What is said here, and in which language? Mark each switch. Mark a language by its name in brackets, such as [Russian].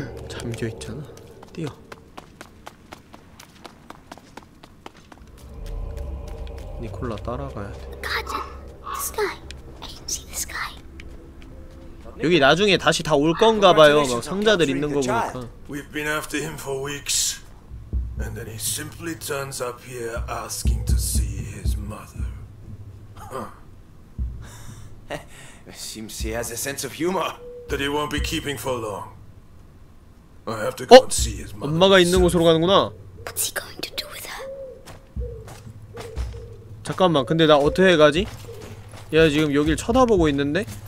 [Korean] 잠겨 있잖아. 뛰어. 니콜라 따라가야 돼. 가자. [English] The sky. I can see the sky. [Korean] 여기 나중에 다시 다 올 건가 봐요. 막 상자들 있는 거 보니까. [English] We've been after him for weeks. And then he simply turns up here asking to see his mother. It seems he has a sense of humor that he won't be keeping for long. I have to go and see his mother. [Korean] 엄마가 있는 곳으로 가는구나. [English] What's he going to do with her? [Korean] 잠깐만, 근데 나 어떻게 가지? 얘 지금 여길 쳐다보고 있는데?